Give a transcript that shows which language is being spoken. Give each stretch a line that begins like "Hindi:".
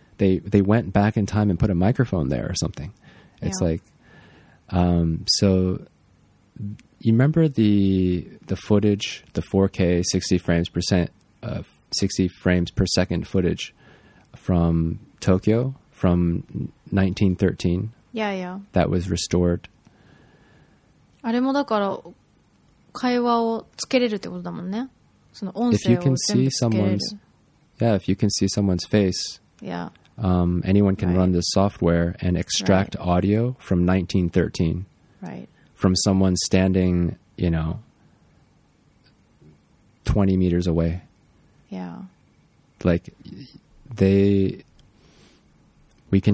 English: They went back in time and put a microphone there or something. It's like, so you remember the footage, the 4K 60 frames per second footage from Tokyo from 1913? Yeah. That was restored.
Japanese: あれもだから会話をつけれるってことだもんね。その音声を全部つけれる。
English: If you can see someone's face. Yeah. Anyone can run this software and extract audio from 1913. Right. From someone standing, you know, 20 meters away. Yeah. Like, they... We can